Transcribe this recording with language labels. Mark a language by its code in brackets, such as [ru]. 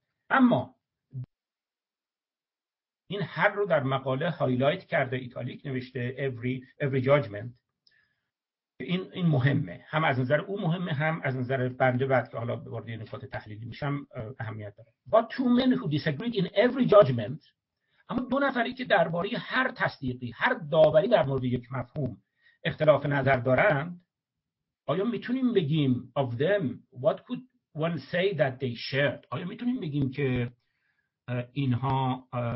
[fa] اما این هر رو در مقاله هایلایت کرده، ایتالیک نوشته، [en] every judgment. [fa] این مهمه، هم از نظر او مهمه، هم از نظر بنده بعد که حالا وارد نکات تحلیلی میشم اهمیت داره. [en] But two men who disagreed in every judgment. [fa] اما دو نفری که درباره هر تصدیقی، هر داوری در مورد یک مفهوم اختلاف نظر دارند، آیا میتونیم بگیم [en] of them what could one say that they shared؟ [fa] آیا میتونیم بگیم که اینها